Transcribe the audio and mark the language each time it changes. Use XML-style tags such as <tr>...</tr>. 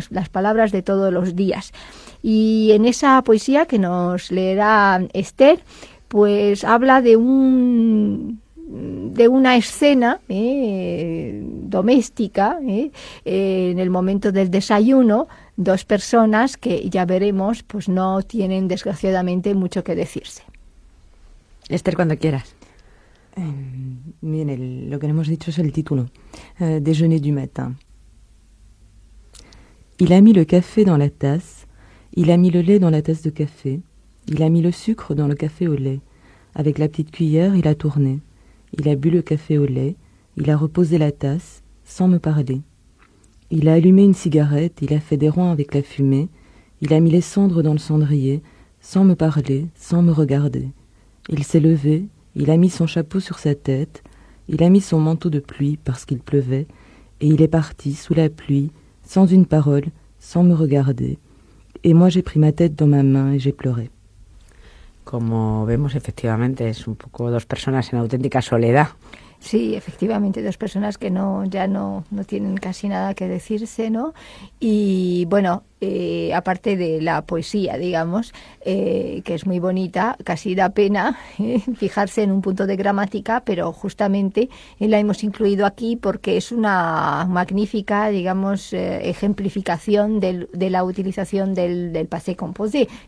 <es>Las palabras de todos los días. Y en esa poesía que nos leerá Esther, pues habla de una escena doméstica, en el momento del desayuno, dos personas que, ya veremos, pues no tienen desgraciadamente mucho que decirse. Esther, cuando quieras. Bien, lo que hemos dicho es el título.</es> <fr>Déjeuner du matin. Il a mis le café dans la tasse. Il a mis le lait dans la tasse de café. Il a mis le sucre dans le café au lait. Avec la petite cuillère, il a tourné. Il a bu le café au lait. Il a reposé la tasse, sans me parler. Il a allumé une cigarette. Il a fait des ronds avec la fumée. Il a mis les cendres dans le cendrier, sans me parler, sans me regarder. Il s'est levé. Il a mis son chapeau sur sa tête, il a mis son manteau de pluie parce qu'il pleuvait, et il est parti sous la pluie, sans une parole, sans me regarder. Et moi j'ai pris ma tête dans ma main et j'ai pleuré.</fr> <es>Como vemos, efectivamente, es un poco dos personas en auténtica soledad. Sí, efectivamente, dos personas que no tienen casi nada que decirse, ¿no? Y bueno, aparte de la poesía, digamos, que es muy bonita, casi da pena fijarse en un punto de gramática, pero justamente la hemos incluido aquí porque es una magnífica, digamos, ejemplificación de la utilización del passé composé.</es>